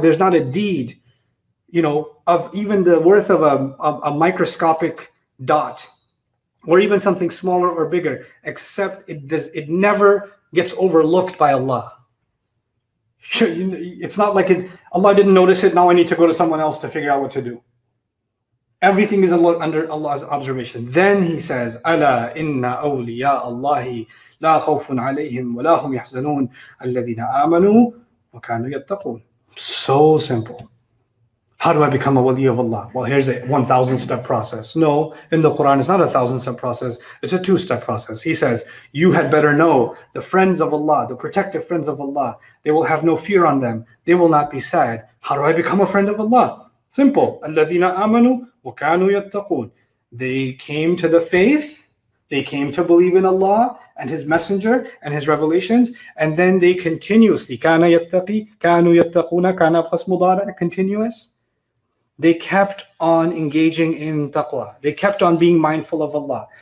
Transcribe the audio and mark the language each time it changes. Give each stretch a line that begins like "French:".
English: There's not a deed, you know, of even the worth of a microscopic dot, or even something smaller or bigger, except it never gets overlooked by Allah. It's not like Allah didn't notice it. Now I need to go to someone else to figure out what to do. Everything is under Allah's observation. Then he says,
Arabic: "Ala inna awliya Allahi." لا خوف عليهم ولا هم يحزنون الذين آمنوا وكانوا يتقون.
English: So simple. How do I become a wali of Allah? Well, here's a 1,000 step process. No, in the Quran, it's not a 1,000 step process. It's a 2-step process. He says, you had better know the friends of Allah, the protective friends of Allah. They will have no fear on them. They will not be sad. How do I become a friend of Allah? Simple.
Arabic: الذين آمنوا وكانوا يتقون.
English: They came to the faith. They came to believe in Allah and His Messenger and His revelations, and then they continuously
Arabic: كان يتقي كانوا يتقون كان plus مضارع
English: continuous. They kept on engaging in taqwa. They kept on being mindful of Allah.